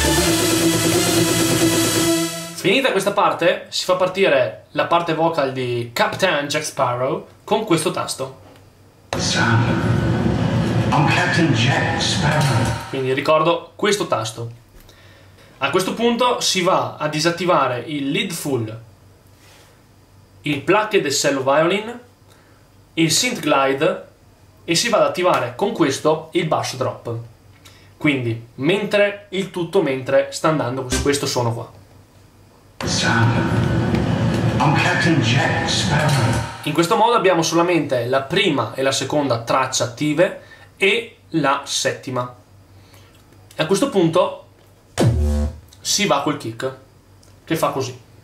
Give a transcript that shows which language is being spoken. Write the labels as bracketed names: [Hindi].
[Italian] Finita questa parte, si fa partire la parte vocal di Captain Jack Sparrow con questo tasto. [English] I'm Captain Jack Sparrow. [Italian] Quindi ricordo questo tasto. A questo punto si va a disattivare il lead full, il plucked cello violin, il synth glide e si va ad attivare con questo il bass drop. Quindi, mentre il tutto mentre sta andando su questo suono qua. [English] I'm Captain Jack Sparrow. [Italian] In questo modo abbiamo solamente la prima e la seconda traccia attive e la settima. E a questo punto si va col kick che fa così.